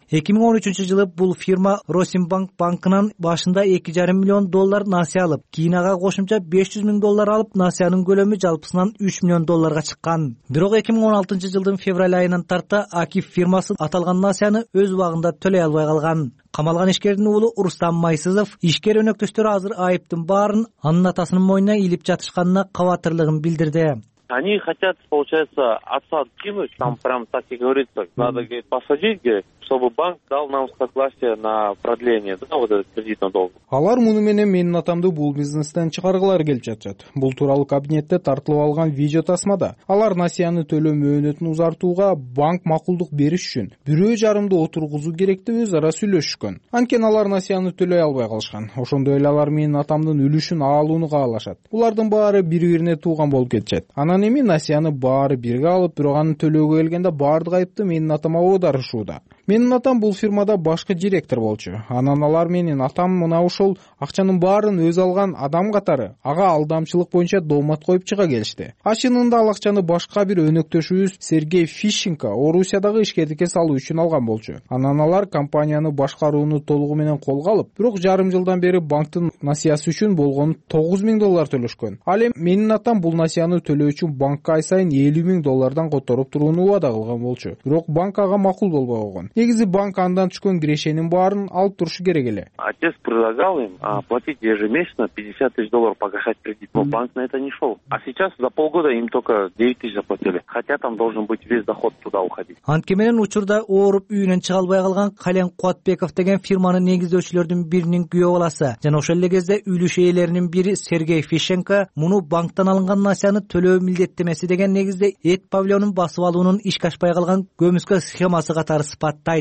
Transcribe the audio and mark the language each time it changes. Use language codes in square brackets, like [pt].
[ky] 2013-жылы бул фирма Росинбанк банкынан башында 2.5 миллион доллар насыя алып, кийин ага кошумча 500 000 доллар алып, насыянын көлөмү жалпысынан 3 миллион долларга чыккан. Бирок 2016-жылдын февраль айынан тарта Акиф фирмасы аталган насыяны өз убагында төлөй албай калган. Камалган ишкердин уулу Рустам Майсызов ишкер өнөктөштөрү азыр айыптын баарын анын атасынын мойнуна илип жатышканына кабатырлыгын билдирди. [ru] Они хотят, получается, отца откинуть, там прям так и говорится, надо, говорит, посадить, говорит, чтобы банк дал нам согласие на продление, да, вот этот кредитный долг. [ky] Алар муну менен менин атамды бул бизнестен чыгаргылар келип жатышат. Бул тууралуу кабинетте тартылып алган видео тасмада. Алар насыяны төлөө мөөнөтүн узартууга банк макулдук бериш үчүн 1.5 жарымды отургузуу керек деп өз ара сүйлөшүшкөн. Анткени алар насыяны төлөй албай калышкан. Ошондой эле алар менин атамдын үлүшүн алууну каалашат. Булардын баары бири-бирине тууган болуп кетишет. Анан эми насыяны баары бирге алып, бирок анын төлөөгө келгенде баардык айыпты менин атама оодарышууда. Менин атам бул фирмада башкы директор болчу. Анан алар менин атам мына ушул акчанын баарын өз алган адам катары ага алдамчылык боюнча доомат коюп чыга келишти. Ачынында ал акчаны башка бир өнөктөшүбүз Сергей Фишенко Орусиядагы ишкерликке салуу үчүн алган болчу. Анан алар компанияны башкарууну толугу менен колго алып, бирок 1.5 жылдан бери банктын насыясы үчүн болгону 9 000 доллар төлөшкөн. Ал эми менин атам бул насыяны төлөө үчүн банкка ай сайын 50 000 доллардан которуп турууну убада кылган болчу. Бирок банк ага макул болбой койгон. Негизи банк андан түшкөн кирешенин баарын алып турушу керек эле. [ru] Отец предлагал им оплатить ежемесячно 50 000 долларов погашать кредит, но банк на это не шел. А сейчас за полгода им только 9 000 заплатили, хотя там должен быть весь доход туда уходить. [ky] Антке менен учурда ооруп үйүнөн чыга албай калган Кален Кубатбеков деген фирманын негиздөөчүлөрдүн биринин күйөө баласы жана ошол эле кезде үлүш ээлеринин бири Сергей Фишенко муну банктан алынган насыяны төлөө милдеттемеси деген негизде эт павильонун басып алуунун ишке ашпай калган көмүскө схемасы катары сыпат.